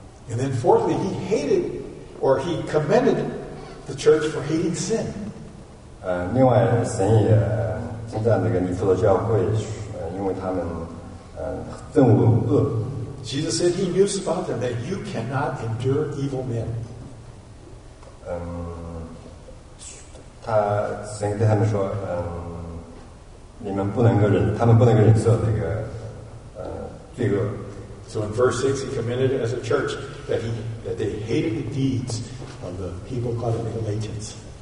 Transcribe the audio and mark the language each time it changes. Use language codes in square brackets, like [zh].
[en] And then fourthly, he hated, or he commended the church for hating sin. [zh] 另外神也称赞这个尼弗所教会，因为他们憎恶恶。 [en] Jesus said he knew about them that you cannot endure evil men. [zh] 神跟他们说，他们不能够忍受这个罪恶。 [en] So in verse 6, he commended it as a church that they hated the deeds of the people called the Galatians.